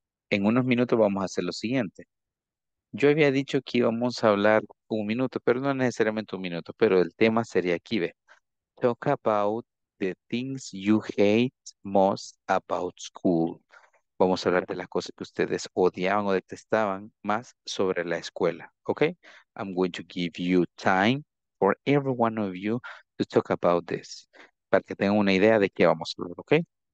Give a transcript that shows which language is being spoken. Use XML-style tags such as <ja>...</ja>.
<es>En unos minutos vamos a hacer lo siguiente. Yo había dicho que íbamos a hablar un minuto, pero no necesariamente un minuto, pero el tema sería aquí, ve.</es> <en>Talk about the things you hate most about school.</en> <es>Vamos a hablar de las cosas que ustedes odiaban o detestaban más sobre la escuela, ¿ok?</es> <en>I'm going to give you time for every one of you to talk about this.</en> <es>Para que tengan una idea de qué vamos a hablar, ¿ok?</es>